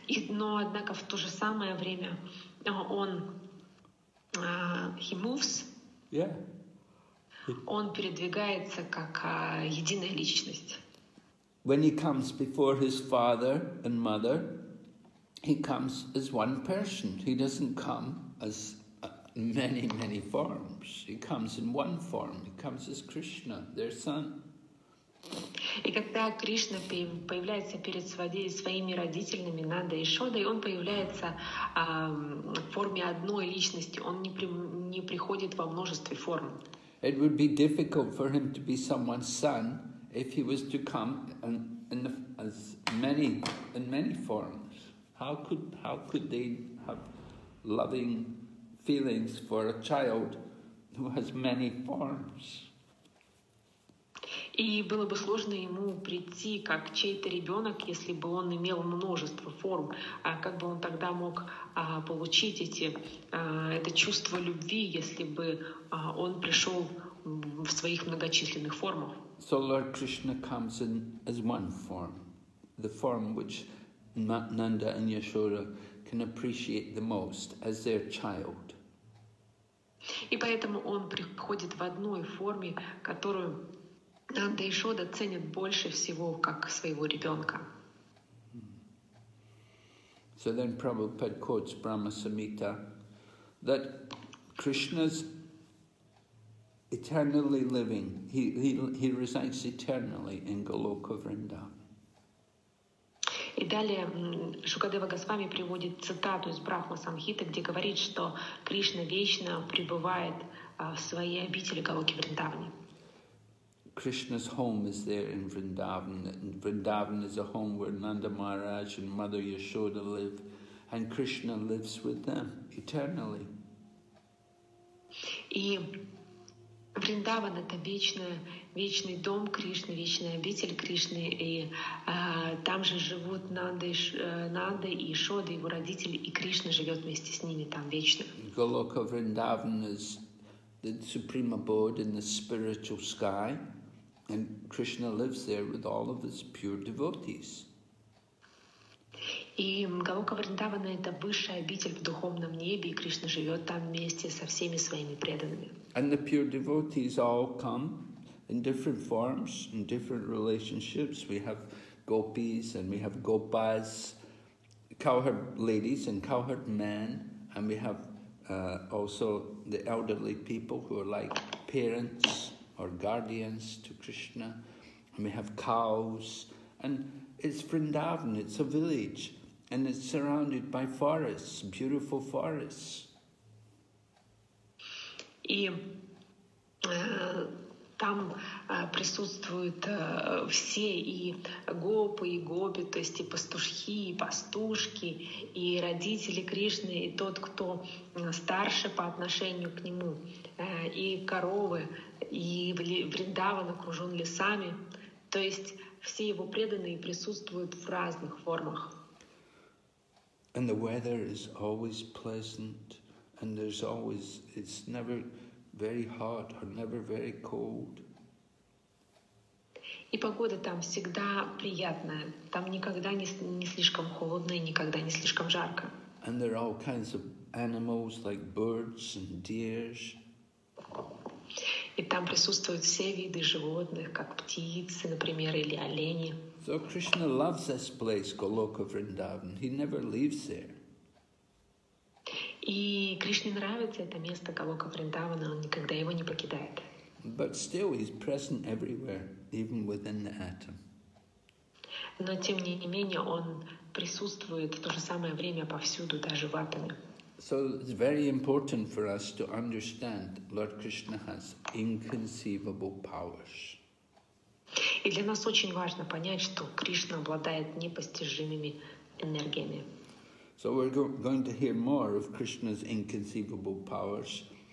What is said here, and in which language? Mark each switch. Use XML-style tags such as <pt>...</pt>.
<ru>Но, однако, в то же самое время он</ru> <en>he moves. Yeah.</en> <ru>Он передвигается как единая личность.</ru> <en>When he comes before his father and mother, he comes as one person. He doesn't come as many, many forms. He comes in one form. He comes as Krishna, their son.</en> <ru>И когда Кришна появляется перед своими родителями, Нанда и Шодой, он появляется в форме одной личности. Он не приходит во множестве форм.</ru> <en>It would be difficult for him to be someone's son if he was to come in many forms. How could they have loving feelings for a child who has many forms?</en> <ru>И было бы сложно ему прийти как чей-то ребенок, если бы он имел множество форм. Как бы он тогда мог получить это чувство любви, если бы он пришел в своих многочисленных формах?</ru> <en>So Lord Krishna comes in as one form, the form which Nanda and Yashoda can appreciate the most as their child.</en> <ru>И поэтому он приходит в одной форме, которую Нанда и Шода ценят больше всего как своего ребенка.</ru> <en>So then Prabhupada quotes Brahma Samhita that Krishna's eternally living. He resides eternally in Goloka Vrindavan.</en> <ru>И далее Шукадева Госвами приводит цитату из Брахма Самхиты, где говорит, что Кришна вечно пребывает в своей обители Голоки Вриндавани.</ru> <en>Krishna's home is there in Vrindavan. And Vrindavan is a home where Nanda Maharaj and Mother Yashoda live, and Krishna lives with them eternally.</en> <ru>И Вриндаван — это вечный дом Кришны, вечная обитель Кришны, и там же живут Нанда и Шода, его родители, и Кришна живет вместе с ними там вечно.</ru> <en>Goloka Vrindavan is the supreme abode in the spiritual sky. And Krishna lives there with all of his pure devotees.</en> <ru>И Голока Вриндавана — это высшая обитель в духовном небе, и Кришна живет там вместе со всеми своими преданными.</ru> <en>And the pure devotees all come in different forms, in different relationships. We have gopis and we have gopas, cowherd ladies and cowherd men, and we have also the elderly people who are like parents or guardians to Krishna, and we have cows, and it's Vrindavan, it's a village, and it's surrounded by forests, beautiful forests.</en> <ru>И там присутствуют все, и гопы, и гопи, то есть и пастушки, и пастушки, и родители Кришны, и тот, кто старше по отношению к нему, и коровы. И Вриндаван окружен лесами, то есть все его преданные присутствуют в разных формах.</ru> <en>And the weather is always pleasant, and there's always, it's never very hot or never very cold.</en> <ru>И погода там всегда приятная, там никогда не слишком холодно и никогда не слишком жарко.</ru> <en>And there are all kinds of animals like birds and deers.</en> <ru>И там присутствуют все виды животных, как птицы, например, или олени.</ru> <en>So Krishna loves this place, Goloka Vrindavan. He never leaves there.</en> <ru>И Кришне нравится это место, Голока Вриндавана, он никогда его не покидает.</ru> <en>But still he's present everywhere, even within the atom.</en> <ru>Но тем не менее он присутствует в то же самое время повсюду, даже в атоме.</ru> <en>So it's very important for us to understand Lord Krishna has inconceivable powers.</en> <ru>И для нас очень важно понять, что Кришна обладает непостижимыми энергиями.</ru> <en>So we're going to hear more of Krishna's inconceivable powers.</en>